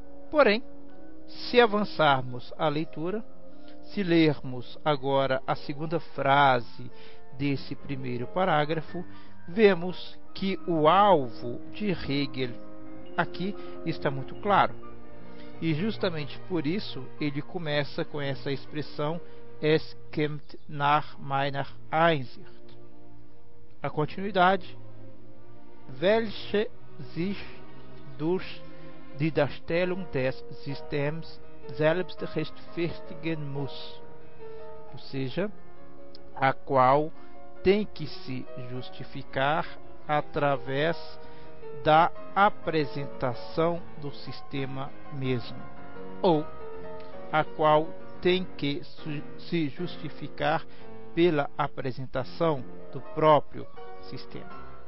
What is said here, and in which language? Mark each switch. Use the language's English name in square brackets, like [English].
[Portuguese] Porém, se avançarmos a leitura, se lermos agora a segunda frase desse primeiro parágrafo, vemos que o alvo de Hegel aqui está muito claro. E justamente por isso ele começa com essa expressão [German] Es kommt nach meiner Einsicht. [Portuguese] A continuidade: [German] Welche sich durch die Darstellung des Systems selbst rechtfertigen muss. [Portuguese] Ou seja, a qual tem que se justificar através da apresentação do sistema mesmo. Ou a qual tem que se justificar pela apresentação do próprio sistema.